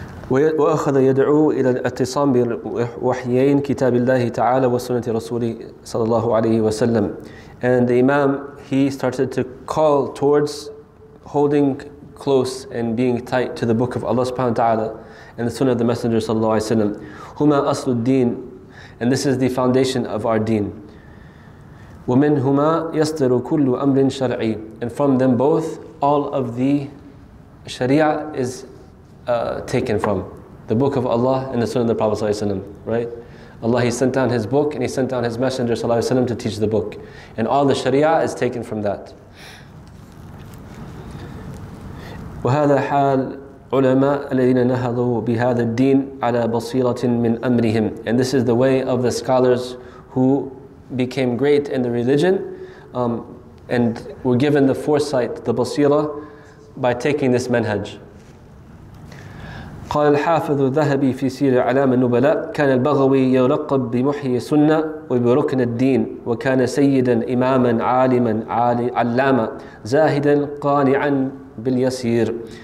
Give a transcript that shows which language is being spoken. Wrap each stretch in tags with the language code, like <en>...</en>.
<ar>وأخذ يدعو إلى الاعتصام بوحيين كتاب الله تعالى وسنة رسوله صلى الله عليه وسلم.</ar> <en>And the Imam, he started to call towards holding close and being tight to the Book of Allah subhanahu wa ta'ala and the Sunnah of the Messenger</en> <ar>صلى الله عليه وسلم. هما أصل الدين.</ar> <en>And this is the foundation of our deen.</en> <ar>وَمِنْهُمَا يَصْدَرُ كُلُّ أَمْرٍ شَرْعِي.</ar> <en>And from them both, all of the Sharia is taken from. The Book of Allah and the Sunnah of the Prophet</en> <ar>صلى الله عليه وسلم,</ar> <en>right? Allah, He sent down His Book and He sent down His Messenger صلى الله عليه وسلم to teach the Book. And all the Sharia is taken from that.</en> <ar>وَهَذَا حَالُ عُلَمَاءَ الَّذِينَ نَهَضُوا بِهَذَا الدِّينِ عَلَى بَصِيرَةٍ مِّنْ أَمْرِهِمْ.</ar> <en>And this is the way of the scholars who became great in the religion and were given the foresight, the basira, by taking this manhaj.</en> <ar>قال الحافظ الذهبي في سير اعلام النبلاء كان البغوي يلقب بمحيي السنه وبركن الدين وكان سيدا اماما عالما علاما زاهدا قانعا باليسير.</ar>